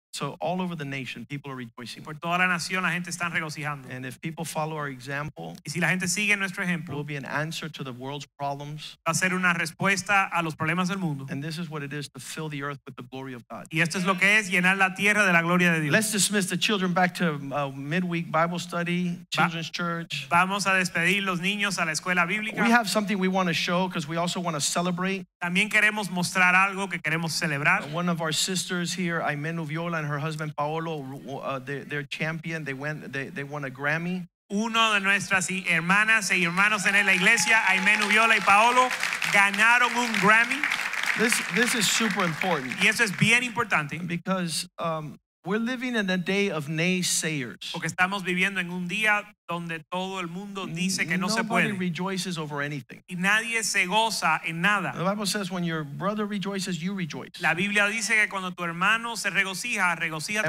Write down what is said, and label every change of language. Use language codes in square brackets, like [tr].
[en] So all over the nation, people are rejoicing. [es] Por toda la nación, la gente están regocijando. [en] And if people follow our example, [es] y si la gente sigue nuestro ejemplo, [en] it will be an answer to the world's problems. [es] Va a ser una respuesta a los problemas del mundo. [en] And this is what it is to fill the earth with the glory of God. [es] Y esto es lo que es llenar la tierra de la gloria de Dios. [en] Let's dismiss the children back to midweek Bible study, children's church. [es] Vamos a despedir los niños a la escuela bíblica. [en] We have something we want to show because we also want to celebrate. [es] También queremos mostrar algo que queremos celebrar. [en] One of our sisters here, Aimenu Viola, and her husband Paolo, their champion, they won a Grammy. [es] Uno de nuestras hermanas e hermanos en la iglesia, Aimenu Viola y Paolo, ganaron un Grammy. [en] This is super important. [es] Y eso es bien importante. [en] Because we're living in a day of naysayers. [es] Porque estamos viviendo en un día donde todo el mundo dice que no se puede. [en] Nobody rejoices over anything. [es] Y nadie se goza en nada. [en] The Bible says when your brother rejoices, you rejoice. [es] La Biblia dice que cuando tu hermano se regocija, regocíjate con él.